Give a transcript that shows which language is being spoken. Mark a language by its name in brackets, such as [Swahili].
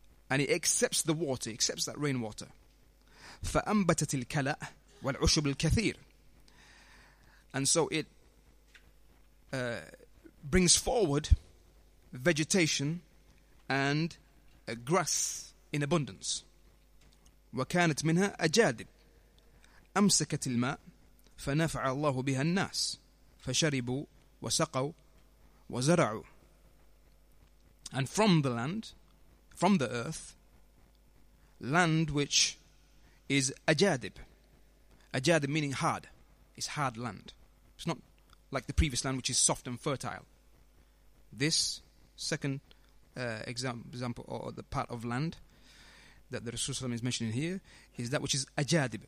[English] And it accepts the water, accepts that rainwater. [Arabic] فَأَنْبَتَتِ الْكَلَأَ, والعشب الكثير. [English] And so it brings forward vegetation and grass in abundance. [Arabic] وكانت منها أجادب أمسكت الماء فنفع الله بها الناس فشربوا وسقوا وزرعوا. [English] And from the land, from the earth, land which is ajadib. Ajadib meaning hard. It's hard land. It's not like the previous land which is soft and fertile. This second example or the part of land that the Rasul is mentioning here is that which is ajadib.